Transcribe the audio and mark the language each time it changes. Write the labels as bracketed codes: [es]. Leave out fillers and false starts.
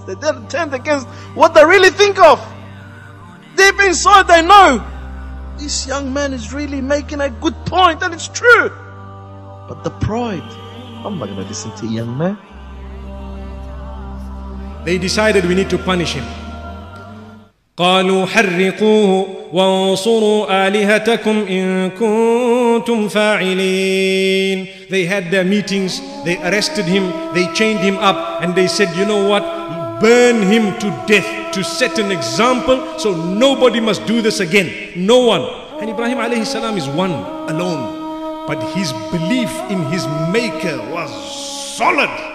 [en] They turned against what they really think of. Deep inside they know, this young man is really making a good point, and it's true. But the pride, I'm not going to listen to a young man. They decided we need to punish him. [ar] قالوا حرقوه وانصروا آلهتكم إن كنتم فاعلين. [en] They had their meetings, they arrested him, they chained him up, and they said, you know what, burn him to death to set an example so nobody must do this again. No one. And Ibrahim alayhi salam is one, alone. But his belief in his maker was solid.